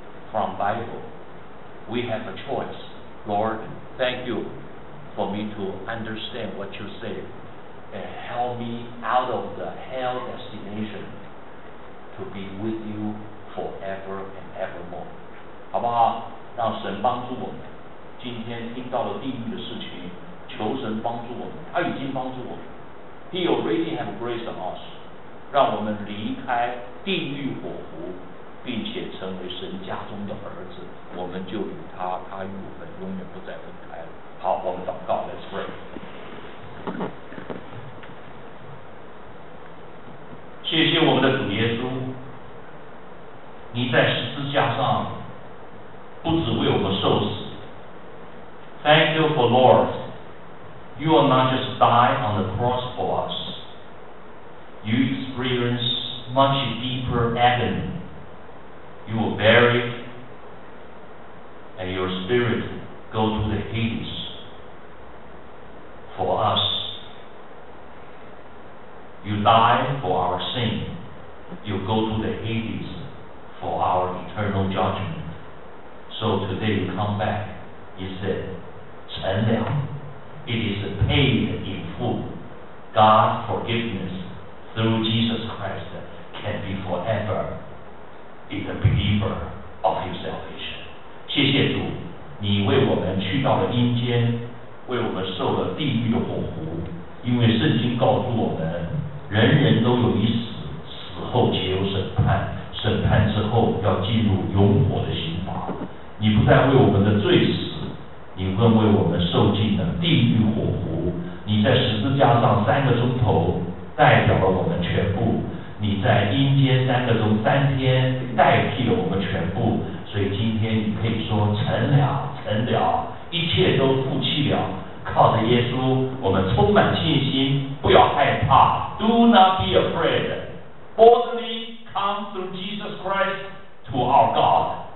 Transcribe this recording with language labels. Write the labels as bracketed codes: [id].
[en] From Bible, we have a choice. Lord, thank you for me to understand what you say and help me out of the hell destination to be with you forever and evermore. [zh] 好不好？让神帮助我们。今天听到了地狱的事情，求神帮助我们。他已经帮助我们。 [en] He already have grace on us. [zh] 让我们离开地狱火湖，并且成为神家中的儿子。我们就与他，他与我们永远不再分开了。好，我们祷告。 [en] Let's pray. [zh] 谢谢我们的主耶稣，你在十字架上不只为我们受死。 [en] Thank you for Lord. You are not just die on the cross for us. You experience much deeper agony. You were buried and your spirit go to the Hades for us. You die for our sin. You go to the Hades for our eternal judgment. So today you come back, you said, 成了 it is paid in full. God's forgiveness through Jesus Christ can be forever in the believer of your salvation. [zh] 谢谢主，你为我们去到了阴间，为我们受了地狱的火湖，因为圣经告诉我们，人人都有一死，死后且有审判，审判之后要进入永火的刑罚。你不再为我们的罪死，你更为我们受尽了地狱火湖。你在十字架上三个钟头代表了我们全部，你在阴间三个钟三天代替了我们全部。所以今天你可以说成了，成了，一切都负弃了。靠着耶稣，我们充满信心，不要害怕。 [en] Do not be afraid. Boldly come through Jesus Christ to our God.